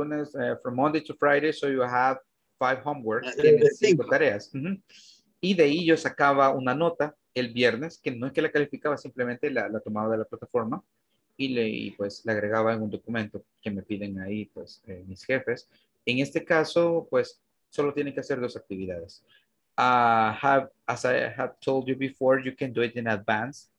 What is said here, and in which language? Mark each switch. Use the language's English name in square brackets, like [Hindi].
[English] Lunes, from Monday to Friday, so you have five homeworks. [Spanish] Tienes cinco tareas. Uh-huh. Y de ahí yo sacaba una nota el viernes, que no es que la calificaba, simplemente la tomaba de la plataforma. Y pues le agregaba en un documento que me piden ahí pues mis jefes. En este caso, pues solo tienen que hacer dos actividades. [English] As I have told you before, you can do it in advance.